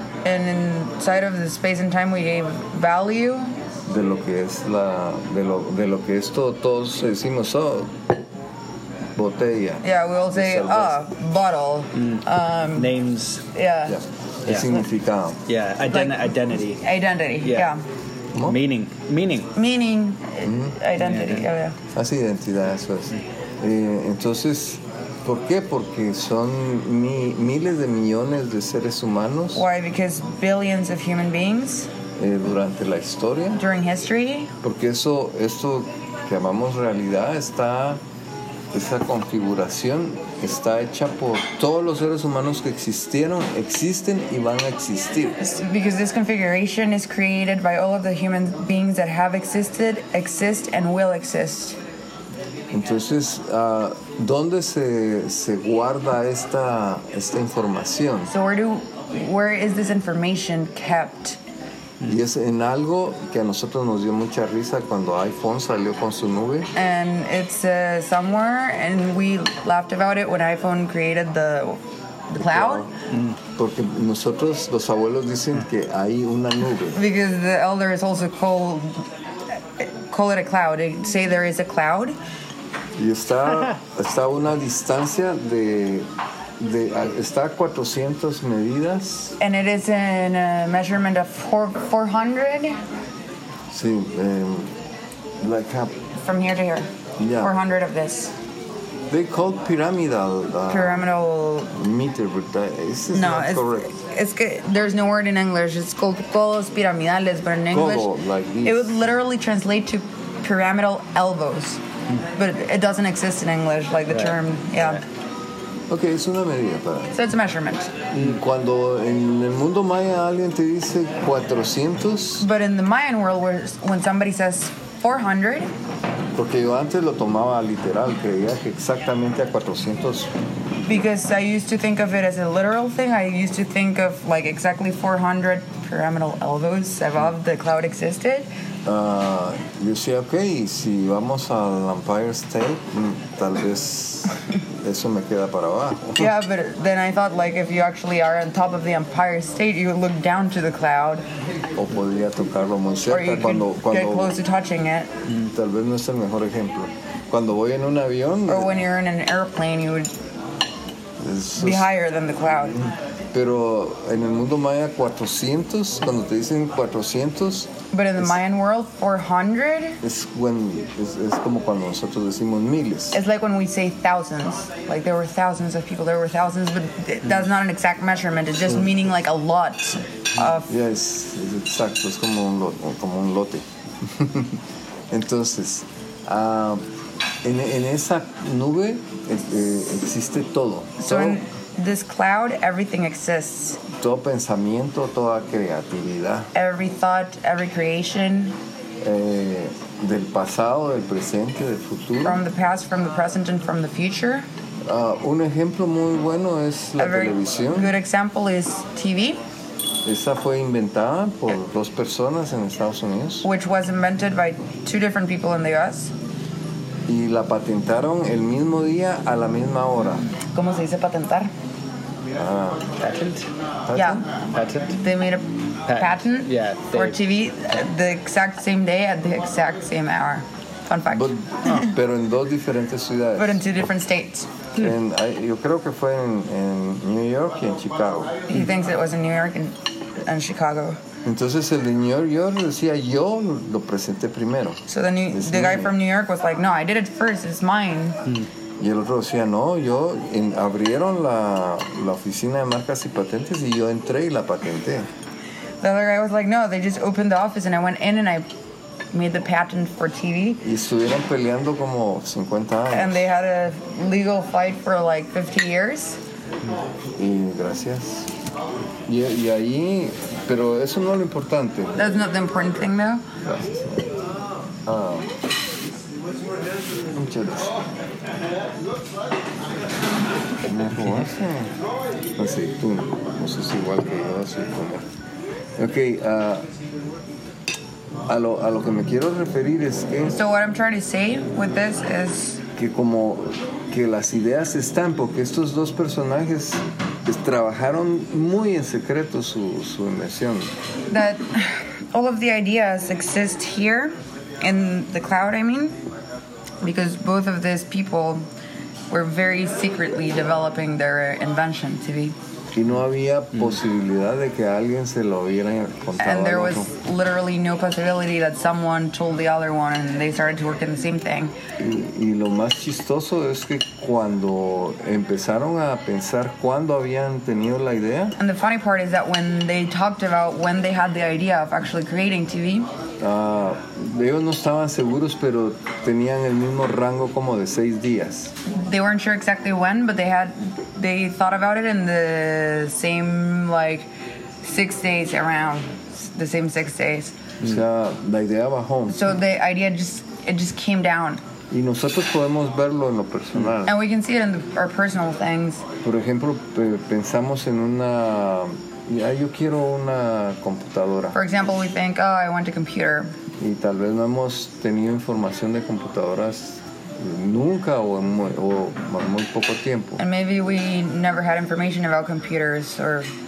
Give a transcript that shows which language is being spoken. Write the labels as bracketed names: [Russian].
[English] And inside of the space and time we gave value. [Spanish] De lo que es la, de lo que es todo, todos decimos, oh, botella. [English] Yeah, we all say, bottle. Mm. Names. Yeah. [Spanish] Yeah. Significado. [English] Yeah, identity. Identity, yeah. [Spanish] ¿Cómo? Meaning. [English] Meaning, identity, yeah. [Spanish] Así, identidad, eso es. Entonces, ¿por qué? Porque son miles de millones de seres humanos. [English] Why? Because billions of human beings. [Spanish] Durante la historia. [English] During history. [Spanish] Porque eso, esto que llamamos realidad está, esa configuración está hecha por todos los seres humanos que existieron, existen y van a existir. [English] Because this configuration is created by all of the human beings that have existed, exist, and will exist. [Spanish] Entonces, ¿dónde se guarda esta información? [English] So where is this information kept? [Spanish] Y es en algo que a nosotros nos dio mucha risa cuando iPhone salió con su nube. [English] And it's somewhere, and we laughed about it when iPhone created the cloud. [Spanish] Porque nosotros, los abuelos dicen que hay una nube. [English] Because the elders also call it a cloud. They say there is a cloud. [Spanish] Y está a una distancia de está a 400 medidas. [English] And it is in a measurement of 400. Sí, like a, from here to here. Yeah. 400 of this. They call pyramidal. Pyramidal meter, but that is not correct. It's que there's no word in English. It's called codos piramidales, but in English, it would literally translate to pyramidal elbows. But it doesn't exist in English, like the term, yeah. [Spanish] Okay, es una medida para. [English] So it's a measurement. [Spanish] Cuando en el mundo maya alguien te dice 400. [English] But in the Mayan world, when somebody says 400. [Spanish] Porque yo antes lo tomaba literal, creía que exactamente a 400. [English] Because I used to think of it as a literal thing. I used to think of like exactly 400 pyramidal elbows above the cloud existed. [Spanish] Yo decía, okay, si vamos al Empire State, tal vez eso me queda para abajo. [English] Yeah, but then I thought, like, if you actually are on top of the Empire State, you look down to the cloud. [Spanish] O podría tocarlo muy cerca. [English] Or you [Spanish] cuando [English] get close to touching it. [Spanish] Tal vez no es el mejor ejemplo. Cuando voy en un avión. [English] Or when you're in an airplane, you would be higher than the cloud. [Spanish] Pero en el mundo maya 400, cuando te dicen 400. [English] But in the Mayan world, 400. Es como cuando nosotros decimos miles. It's like when we say thousands. Like there were thousands of people, there were thousands, but that's not an exact measurement. It's just meaning like a lot of. [Spanish] Yes, es exacto. Es como un lote. Entonces, en esa nube existe todo. [English] So in this cloud, everything exists. [Spanish] Todo pensamiento, toda creatividad. [English] Every thought, every creation. [Spanish] Del pasado, del presente, del futuro. [English] From the past, from the present, and from the future. [Spanish] Un ejemplo muy bueno es la televisión. [English] A good example is TV. [Spanish] Esa fue inventada por dos personas en Estados Unidos. [English] Which was invented by two different people in the U.S. [Spanish] Y la patentaron el mismo día a la misma hora. ¿Cómo se dice patentar? [English] Patent. They made a patent for TV the exact same day at the exact same hour. Fun fact. [Spanish] But, pero en dos diferentes ciudades. [English] But in two different states. [Spanish] Yo creo que fue en New York y en Chicago. [English] He thinks it was in New York and Chicago. [Spanish] Entonces el de New York decía, yo lo presenté primero. [English] So the guy from New York was like, no, I did it first, it's mine. [Spanish] Y el otro decía, no, yo, abrieron la oficina de marcas y patentes y yo entré y la patenté. [English] The other guy was like, no, they just opened the office and I went in and I made the patent for TV. [Spanish] Y estuvieron peleando como 50 años. [English] And they had a legal fight for like 50 years. [Spanish] Y gracias. Y ahí, pero eso no es lo importante. [English] That's not the important thing, though. [Spanish] Gracias. ¿Cómo se hace? Así, tú. No sé si igual que yo, así como. Ok, a lo que me quiero referir es que. [English] So, what I'm trying to say with this is. [Spanish] Que como. Que las ideas están, porque estos dos personajes trabajaron muy en secreto su inversión. [English] That all of the ideas exist here, in the cloud, I mean, because both of these people were very secretly developing their invention to be. [Spanish] Y no había posibilidad de que alguien se lo hubiera contado. [English] And there was literally no possibility that someone told the other one and they started to work in the same thing. [Spanish] Y lo más chistoso es que cuando empezaron a pensar cuándo habían tenido la idea. [English] And the funny part is that when they talked about when they had the idea of actually creating TV. [Spanish] Ellos no estaban seguros, pero tenían el mismo rango como de 6 días. [English] They weren't sure exactly when, but they thought about it in the same like 6 days around, the same 6 days. [Spanish] O sea, la idea bajó. [English] So the idea just came down. [Spanish] Y nosotros podemos verlo en lo personal. [English] And we can see it in our personal things. [Spanish] Por ejemplo, pensamos en una... Yeah, yo quiero una computadora. [English] For example, we think, oh, I want a computer. [Spanish] Y tal vez no hemos tenido información de computadoras nunca o muy poco tiempo. And maybe we never had information about computers or...